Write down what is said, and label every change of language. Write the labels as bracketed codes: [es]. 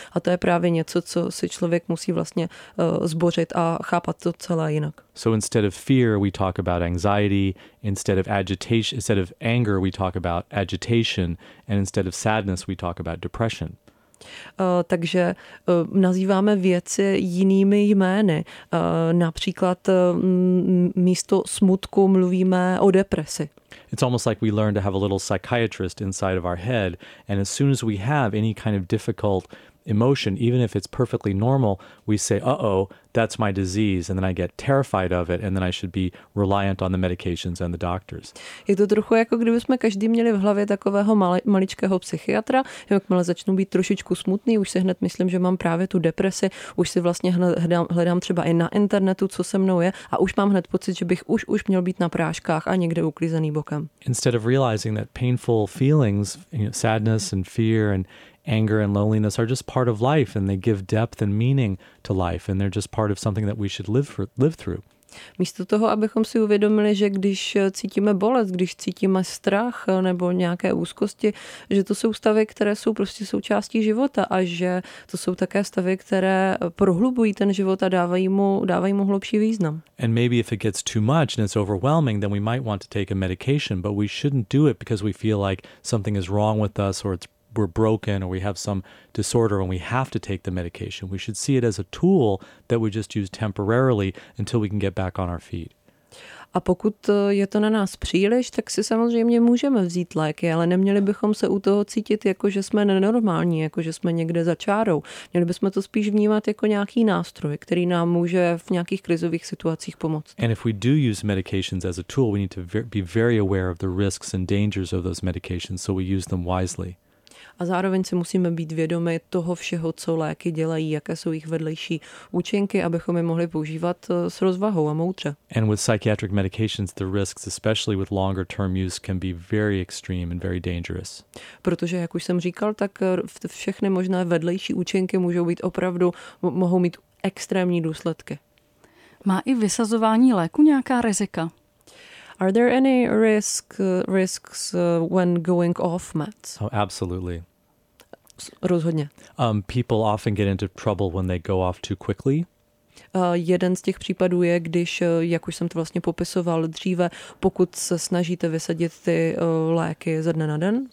[cs] A to je právě něco, co si člověk musí vlastně zbořit a chápat to celé jinak. [en] So instead of fear, we talk about anxiety. Instead of anger, we talk about agitation. And instead of sadness, we talk about depression. [cs] Takže nazýváme věci jinými jmény. Například místo smutku mluvíme o depresi. [en] It's almost like we learn to have a little psychiatrist inside of our head, and as soon as we have any kind of difficult emotion, even if it's perfectly normal, we say, uh-oh, that's my disease, and then I get terrified of it, and then I should be reliant on the medications and the doctors. [cs] Je to trochu jako kdybychom každý měli v hlavě takového maličkého psychiatra, jakmile začnu být trošičku smutný, už si hned myslím, že mám právě tu depresi, už si vlastně hledám třeba i na internetu, co se mnou je, a už mám hned pocit, že bych už měl být na práškách a někde uklízený bokem. [en] Instead of realizing that painful feelings, you know, sadness and fear and anger and loneliness are just part of life and they give depth and meaning to life and they're just part of something that we should live through. [cs] Místo toho, abychom si uvědomili, že když cítíme bolest, když cítíme strach nebo nějaké úzkosti, že to jsou stavy, které jsou prostě součástí života a že to jsou také stavy, které prohlubují ten život a dávají mu hlubší význam. [en] And maybe if it gets too much and it's overwhelming, then we might want to take a medication, but we shouldn't do it because we feel like something is wrong with us or we're broken or we have some disorder and we have to take the medication. We should see it as a tool that we just use temporarily until we can get back on our feet. [cs] A pokud je to na nás příliš, tak si samozřejmě můžeme vzít léky, ale neměli bychom se u toho cítit jako, že jsme nenormální, jako, že jsme někde za čárou. Měli bychom to spíš vnímat jako nějaký nástroj, který nám může v nějakých krizových situacích pomoct. [en] And if we do use medications as a tool, we need to be very aware of the risks and dangers of those medications, so we use them wisely. [cs] a zároveň si musíme být vědomi toho všeho, co léky dělají, jaké jsou jich vedlejší účinky, abychom je mohli používat s rozvahou a moudře. [en] And with psychiatric medications, the risks, especially with longer term use, can be very extreme and very dangerous. [cs] Protože, jak už jsem říkal, tak všechny možné vedlejší účinky můžou být opravdu, mohou mít extrémní důsledky. Má i vysazování léku nějaká rizika? [en] Are there any risks when going off meds? Oh, absolutely. [cs] Rozhodně. [en] People often get into trouble when they go off too quickly. [cs] Jeden z těch případů je, když, jak už jsem to vlastně popisoval dříve, pokud se snažíte vysadit ty léky ze dne na den.